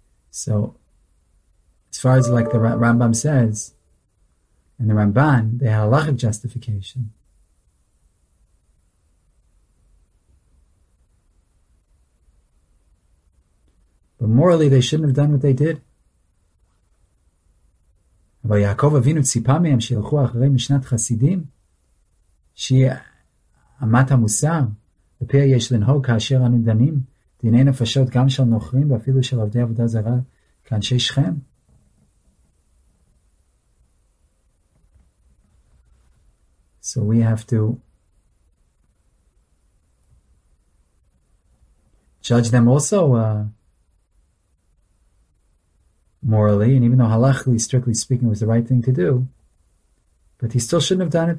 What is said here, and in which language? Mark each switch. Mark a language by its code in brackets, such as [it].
[en] So, as far as like the Rambam says, and the Ramban, they have halachic justification. But morally, they shouldn't have done what they did. [he] אבל יעקב אבינו ציפה מהם שילכו אחרי משנת חסידים, שהיא אמת המוסר, בפיה יש לנהוג כאשר אנו דנים, דיני נפשות גם של נוכרים ואפילו של עבדי עבודה זרה כאנשי שכם. [en] So we have to judge them also morally, and even though halachically, strictly speaking, was the right thing to do, but he still shouldn't have done it.